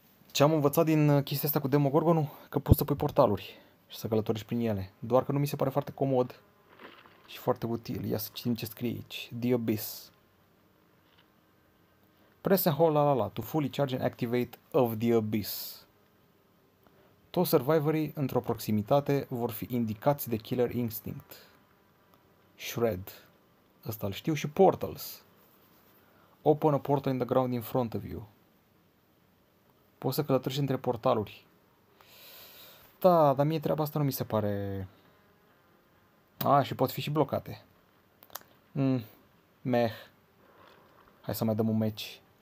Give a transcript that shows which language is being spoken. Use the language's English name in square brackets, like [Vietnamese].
[Romanian] Ce am învățat din chestia asta cu Demogorgonul? Că poți să pui portaluri și să călătorești prin ele. Doar că nu mi se pare foarte comod și foarte util. Ia să citim ce scrie aici. [English] The Abyss. Press and hold la to fully charge and activate of the Abyss. [Romanian] Toți survivorii într-o proximitate vor fi indicați de Killer Instinct. Shred. Ăsta îl știu. Și Portals. [English] Open a portal in the ground in front of you. [Romanian] Poți să călătorești între portaluri. Da, dar mie treaba asta nu mi se pare. A, și pot fi și blocate. Meh. Hai să mai dăm un match.